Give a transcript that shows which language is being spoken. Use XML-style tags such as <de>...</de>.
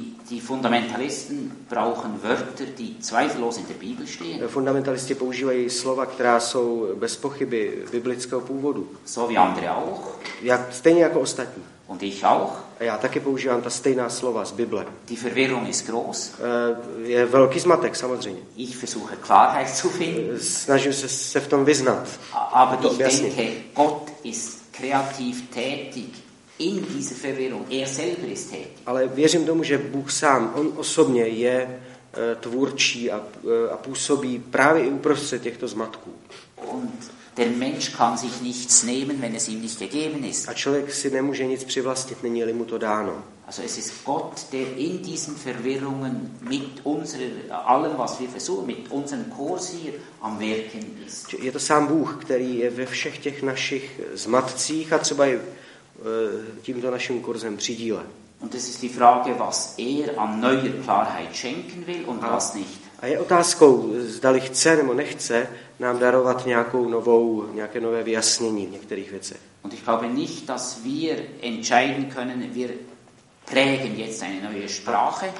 <de>Die Fundamentalisten brauchen Wörter, die zweifellos in der Bibel stehen.</de> <cs>Fundamentalisti používají slova, která jsou bez pochyby biblického původu.</cs> <de>So wie andere auch.</de> <cs>Stejně jako ostatní.</cs> <de>Und ich auch.</de> <cs>A já taky používám ta stejná slova z Bible.</cs> <de>Die Verwirrung ist groß.</de> <cs>Je velký zmatek, samozřejmě.</cs> <de>Ich versuche Klarheit zu finden.</de> <cs>Snažím se v tom vyznat.</cs> <de>Aber ich denke, Gott ist kreativ tätig in dieser Verwirrung. Selber ist tätig.</de> <cs>Ale věřím tomu, že Bůh sám, on osobně je tvůrčí a působí právě i uprostřed těchto zmatků.</cs> <de>Und der Mensch kann sich nichts nehmen, wenn es ihm nicht gegeben ist.</de> <cs>A člověk si nemůže nic přivlastnit, není-li mu to dáno.</cs> <de>Also es ist Gott, der in diesen Verwirrungen mit unserer allem, was wir versuchen, mit unserem Kurs hier am Wirken ist.</de> <cs>Je to sám Bůh, který je ve všech těch našich zmatcích a třeba i tímto naším kurzem přidíle.</cs> <de>Und es ist die Frage, was an neuer Klarheit schenken will und was nicht.</de> <cs>A je otázkou, zdali chce nebo nechce nám darovat nějaké nové vyjasnění v některých věcech.</cs> <de>Und ich glaube nicht, dass wir entscheiden können, wir prägen jetzt eine neue Sprache.</de>